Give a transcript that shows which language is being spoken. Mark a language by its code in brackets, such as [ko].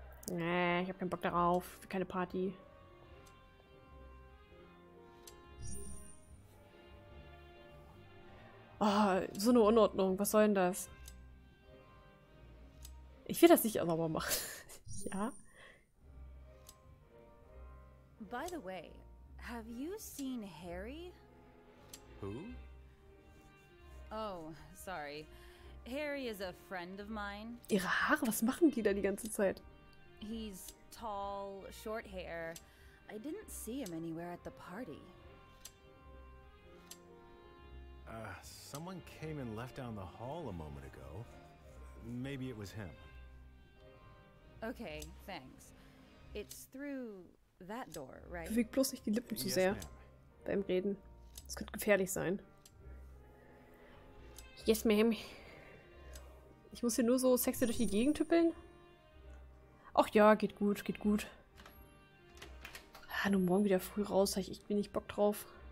[de] Nee, ich hab keinen Bock darauf. Für keine Party. Oh, so eine Unordnung. Was soll denn das? Ich will das nicht sauber machen. Ja? [en] By the way, have you seen Harry? Who? Oh, sorry. Harry is a friend of mine. [de] Ihre Haare, was machen die da die ganze Zeit? [en] He's tall, short hair. I didn't see him anywhere at the party. Someone came and left down the hall a moment ago. Maybe it was him. Okay, thanks. It's through that door, right? [de] Beweg bloß nicht die Lippen zu sehr beim Reden. Das könnte gefährlich sein. [en] Yes, ma'am. [de] Ich muss hier nur so sexy durch die Gegend tüppeln? Ach ja, geht gut, geht gut. Ah, nur morgen wieder früh raus, habe ich echt wenig Bock drauf.